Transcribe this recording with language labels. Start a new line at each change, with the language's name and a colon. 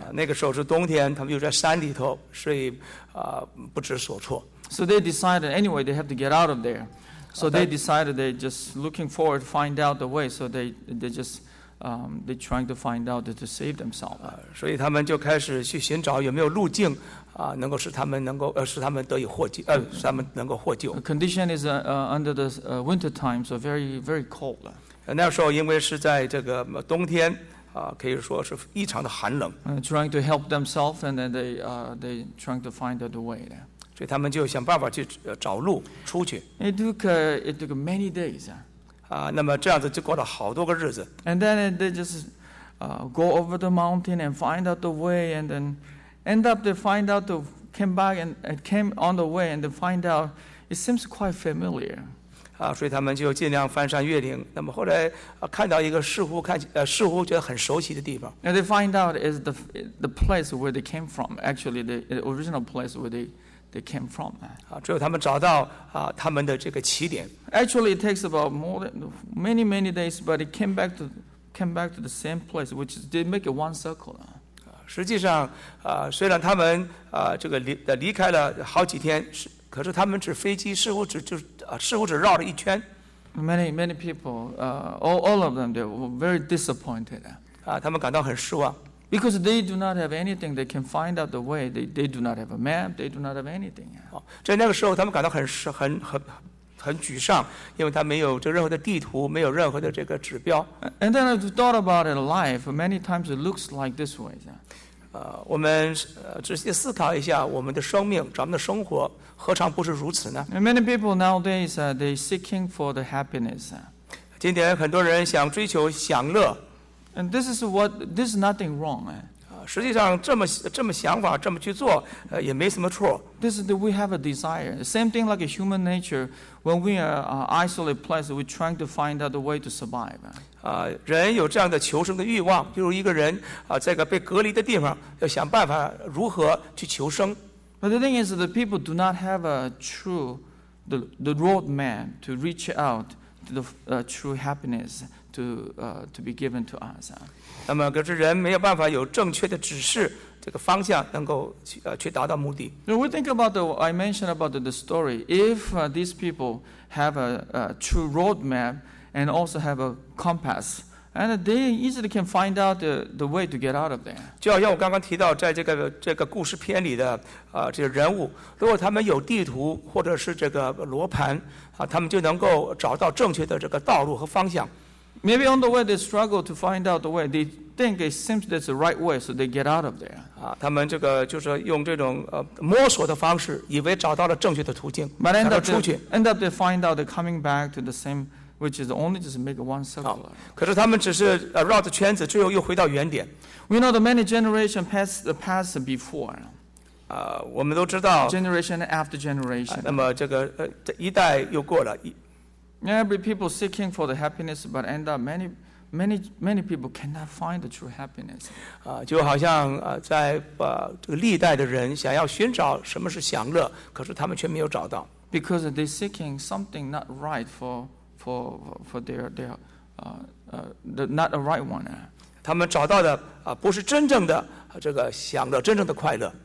Chinese: 那个时候是冬天，他们又在山里头，所以不知所措。
English: So they decided anyway they have to get out of there. So they decided they just looking forward to find out the way. So they just. They trying to find out to save themselves.
Chinese: 所以他们就开始去寻找有没有路径能够使他们能够使他们得以获救使他们能够获救。
English: The condition is under the winter time, so very very cold.
Chinese: 那时候因为是在这个冬天可以说是异常的寒冷。
English: Trying to help themselves, and then they trying to find out the way.
Chinese: 所以他们就想办法去找路出去。
English: It took many days.
Chinese: 那么这样子就过了好多个日子。
English: And then they just go over the mountain and find out the way, and then end up they find out came back and came on the way and they find out it seems quite familiar.
Chinese: 所以他们就尽量翻山越岭。那么后来看到一个似乎觉得很熟悉的地方。
English: And they find out is the place where they came from, actually the original place where they came from.
Chinese: 最后他们找到他们的这个起点。
English: Actually, it takes about more than many days, but it came back to the same place, which is they make it one circle.
Chinese: 实际上，虽然他们这个离开了好几天，可是他们只飞机似乎只就似乎只绕了一圈。
English: Many people, all of them, they were very disappointed.
Chinese: 他们感到很失望。
English: Because they do not have anything, they can find out the way. They do not have a map. They do not have anything.
Chinese: 在那个时候，他们感到很很沮丧，因为他没有这任何的地图，没有任何的这个指标。
English: And then I've thought about it life. Many times it looks like this way.
Chinese: 我们仔细思考一下，我们的生命，咱们的生活，何尝不是如此呢
English: ？And many people nowadays they seeking for the happiness.
Chinese: 今天很多人想追求享乐。
English: And this is what this is nothing wrong.
Chinese: 实际上这么想法，这么去做，也没什么错。
English: This is that we have a desire. Same thing like a human nature. When we are isolated place, we're trying to find out a way to survive.
Chinese: 人有这样的求生的欲望，比如一个人在一个被隔离的地方，要想办法如何去求生。
English: But the thing is that people do not have a true, the roadmap to reach out to the true happiness to be given to us.
Chinese: 那么可是人没有办法有正确的指示，这个方向能够去达到目的。
English: We think about I mentioned about the story. If these people have a true roadmap,and also have a compass, and they easily can find out the way to get out of there.
Chinese: 就好像我刚刚提到，在这个故事片里的这些人物，如果他们有地图或者是这个罗盘他们就能够找到正确的这个道路和方向。
English: Maybe on the way they struggle to find out the way. They think it seems that's the right way, so they get out of there.
Chinese: 他们这个就是用这种摸索的方式，以为找到了正确的途径，才能出去。
English: End up they find out they're coming back to the same. Which is only just make one circle.
Chinese: 可是他们只是绕着圈子，最后又回到原点。
English: We know the many generation pass before.
Chinese: 我们都知道。
English: Generation after generation.
Chinese: 那么这个一代又过了。
English: Every people seeking for the happiness, but end up many people cannot find the true happiness.
Chinese: 就好像在这个历代的人想要寻找什么是享乐，可是他们却没有找到。
English: Because they seeking something not right for their the not a right one.
Chinese: 他们找到的不是真正的这个享乐，真正的快乐。